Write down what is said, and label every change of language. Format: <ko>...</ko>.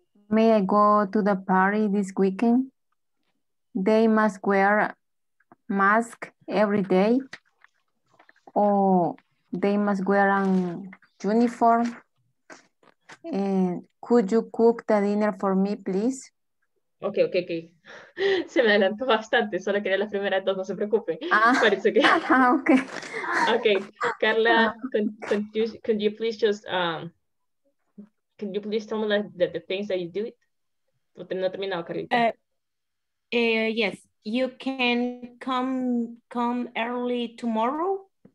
<en>May I go to the party this weekend? They must wear mask every day, or they must wear a uniform. Could you cook the dinner for me, please? Okay.</en> <es>Se me adelantó bastante, solo quería las primeras dos, no se preocupe. Parece que...</es> <en>Okay. Carla, could you please just, can you please tell me the things that you do?</en> <es>No he terminado, Carlita.</es> <en>Yes, you can come early tomorrow.</en>